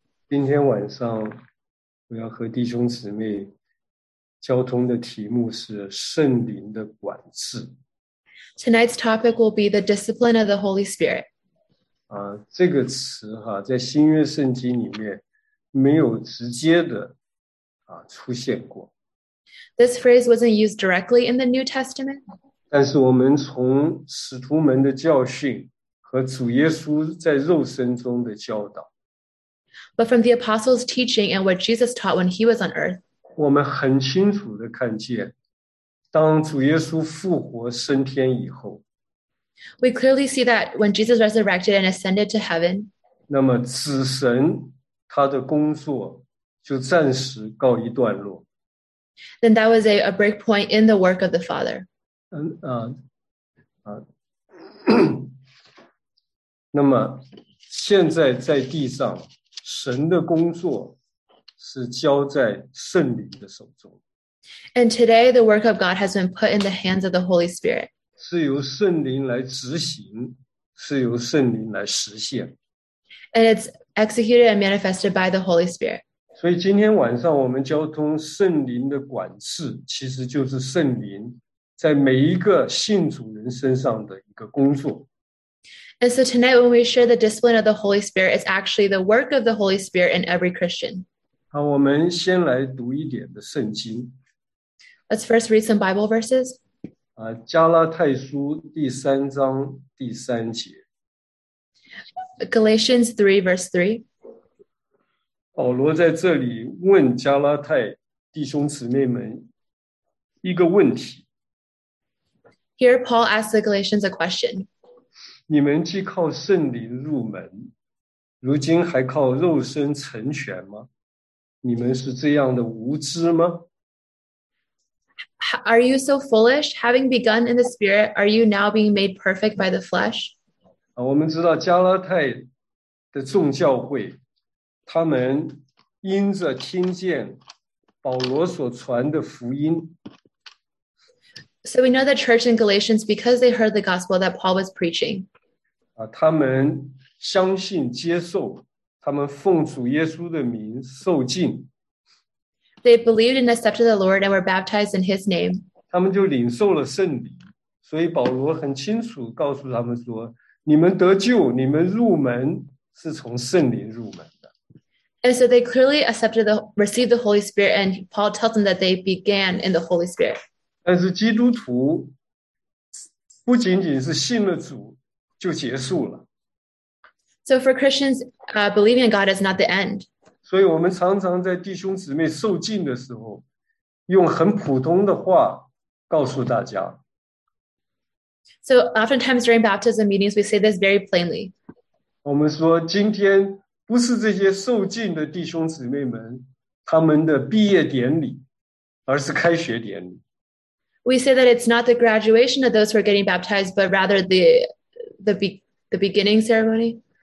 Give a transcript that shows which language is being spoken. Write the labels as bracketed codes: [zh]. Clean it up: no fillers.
[zh] 今天晚上我要和弟兄姊妹交通的题目是圣灵的管制。 [en] Tonight's topic will be the discipline of the Holy Spirit. [zh] 啊，这个词哈，在新约圣经里面没有直接的出现过。 [en] This phrase wasn't used directly in the New Testament. [zh] 但是我们从使徒们的教训和主耶稣在肉身中的教导， [en] But from the apostles' teaching and what Jesus taught when he was on earth, [zh] 我们很清楚的看见，当主耶稣复活升天以后， [en] We clearly see that when Jesus resurrected and ascended to heaven, [zh] 那么子神他的工作就暂时告一段落。 [en] then that was a break point in the work of the Father. [zh] 那么现在在地上，神的工作是交在圣灵的手中， [en] And today, the work of God has been put in the hands of the Holy Spirit. [zh] 是由圣灵来执行，是由圣灵来实现。 [en] And it's executed and manifested by the Holy Spirit. [zh] 所以今天晚上我们交通圣灵的管制，其实就是圣灵在每一个信主人身上的一个工作。 [en] And so tonight, when we share the discipline of the Holy Spirit, it's actually the work of the Holy Spirit in every Christian. [zh] 好，我们先来读一点的圣经。 [en] Let's first read some Bible verses. [zh] 加拉太书第三章第三节， [en] Galatians 3, verse 3. [zh] 保罗在这里问加拉太弟兄姊妹们一个问题： [en] Here, Paul asks the Galatians a question. [zh] 你们既靠圣灵入门，如今还靠肉身成全吗？你们是这样的无知吗？ [en] are you so foolish? Having begun in the spirit, are you now being made perfect by the flesh? [zh] 我们知道加拉太的众教会，他们因着听见保罗所传的福音。 [en] So we know the church in Galatians, because they heard the gospel that Paul was preaching. [zh] 他们相信接受，他们奉主耶稣的名受浸。 [en] They believed and accepted the Lord and were baptized in his name. [zh] 他们就领受了圣礼，所以保罗很清楚告诉他们说，你们得救，你们入门是从圣灵入门。 [en] And so they clearly accepted the, received the Holy Spirit, and Paul tells them that they began in the Holy Spirit. [zh] 但是基督徒不仅仅是信了主就结束了。 [en] So for Christians, believing in God is not the end. [zh] 所以我们常常在弟兄姊妹受浸的时候，用很普通的话告诉大家。 [en] So oftentimes during baptism meetings, we say this very plainly. [zh] 我们说今天不是这些受浸的弟兄姊妹们他们的毕业典礼，而是开学典礼。 [en] We say that it's not the graduation of those who are getting baptized, but rather the beginning ceremony.